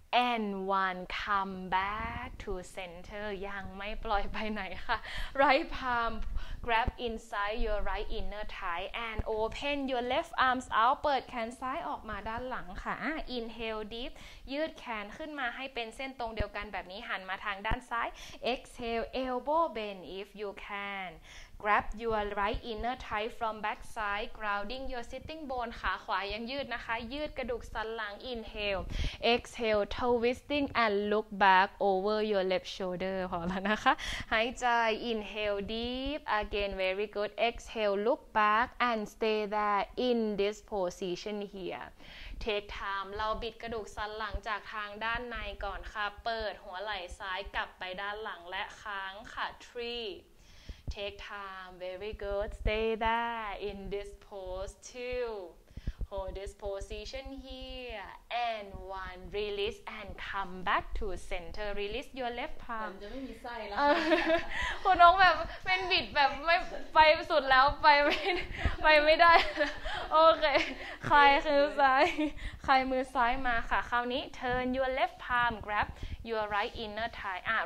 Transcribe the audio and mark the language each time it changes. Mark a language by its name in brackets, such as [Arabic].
[English] and one come back to center [Thai] ยังไม่ปล่อยไปไหนค่ะ [English] right palm grab inside your right inner thigh and open your left arms out [Thai] เปิดแขนซ้ายออกมาด้านหลังค่ะ [English] inhale deep [Thai] ยืดแขนขึ้นมาให้เป็นเส้นตรงเดียวกันแบบนี้หันมาทางด้านซ้าย [English] exhale elbow bend if you canGrab your right inner thigh from back side, grounding your sitting bone. [Thai] ขาขวายังยืดนะคะยืดกระดูกสันหลัง [English] Inhale, exhale, twisting and look back over your left shoulder. [Thai] พอแล้วนะคะหายใจ [English] Inhale deep again, very good. Exhale, look back and stay there in this position here. Take time [Thai] เราบิดกระดูกสันหลังจากทางด้านในก่อนค่ะเปิดหัวไหล่ซ้ายกลับไปด้านหลังและค้างค่ะ [English] Three. Take time, very good. Stay there in this pose too. Hold this position here. And one, release and come back to center. Release your left palm. [Thai] จะไม่มีไส้แล้ว คุณน้องแบบเป็นบิดแบบไม่ไปสุดแล้วไปไม่ได้โอเคใครคือซ้ายใครมือซ้ายมาค่ะคราวนี้ [English] turn your left palm, grab your right inner thigh.